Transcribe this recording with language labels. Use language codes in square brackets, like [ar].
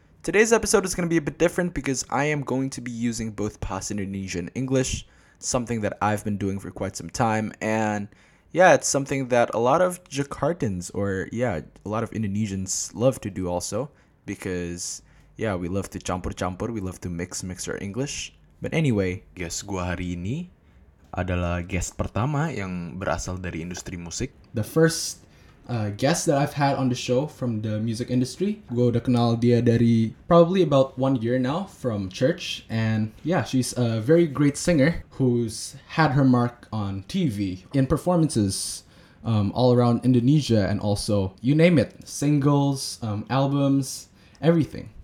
[en] Today's episode is going to be a bit different because I am going to be using both past Indonesian and English, something that I've been doing for quite some time, and yeah, it's something that a lot of Jakartans, or yeah, a lot of Indonesians love to do also, because yeah, we love to [id] campur-campur, [en] we love to mix our English. But anyway, [id] guest gua hari ini adalah guest pertama yang berasal dari industri musik. [en] The first guest that I've had on the show from the music industry. [id] Gua udah kenal dia dari [en] probably about 1 year now from church. And yeah, she's a very great singer who's had her mark on TV in performances all around Indonesia and also, you name it, singles, albums, everything.